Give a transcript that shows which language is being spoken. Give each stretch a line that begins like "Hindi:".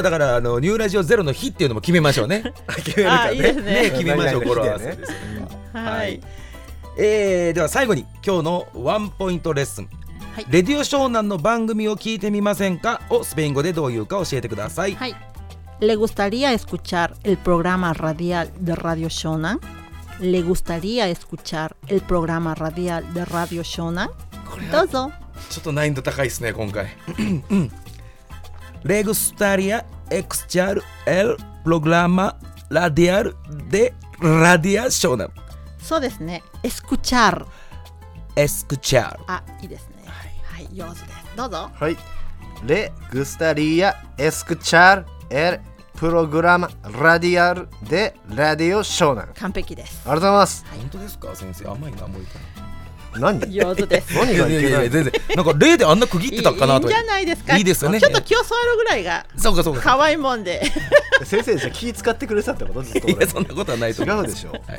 Japanese: だから、あのニューラジオゼロの日っていうのも決めましょうね。決めるか ね、いいですね、決めましょう、これは。はい、では最後に今日のワンポイントレッスン、はい、レディオ湘南の番組を聞いてみませんかをスペイン語でどういうか教えてください。はい。
Spanish: ¿Le gustaría escuchar el programa radial de Radio Shonan? ¿Le gustaría escuchar el programa radial de Radio Shonan?
Japanese: ¡Dozo! Chotto naindo takai desu ne, konkai.
Spanish: ¿Le gustaría escuchar el programa radial de Radio Shonan?
Japanese: So desu ne, escuchar.
Spanish: Escuchar.
Japanese: Ah, ii desu ne. Hai, yozu desu. Dozo. Hai.
Spanish: ¿Le gustaría escuchar el programa radial de Radio Shonan?
Japanese: 完璧です。ありがとうございます。本当ですか先生、甘いな、もういいかな。何上手です。何がいけない。いや全然、なんか例であんな区切ってたかなと。いいんじゃないですか。いいですよね、ちょっと気を座るぐらいが。そうかそうか、可愛いもんで。先生、じゃ気使ってくれてたってこと？ずっと。いや、そんなことはないと思う。違うでしょ。